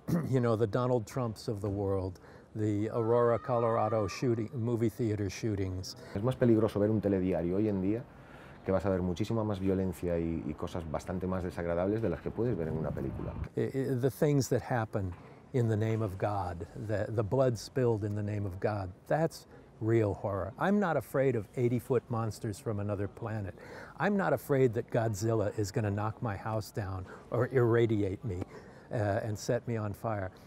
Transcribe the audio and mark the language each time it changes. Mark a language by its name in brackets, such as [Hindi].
[English] You know, the Donald Trumps of the world. The Aurora, Colorado shooting, movie theater shootings. [Spanish] Es más peligroso ver un telediario hoy en día que vas a ver muchísima más violencia y cosas bastante más desagradables de las que puedes ver en una película. [English] The things that happen in the name of God, the blood spilled in the name of God, that's real horror. I'm not afraid of 80-foot monsters from another planet. I'm not afraid that Godzilla is going to knock my house down or irradiate me and set me on fire.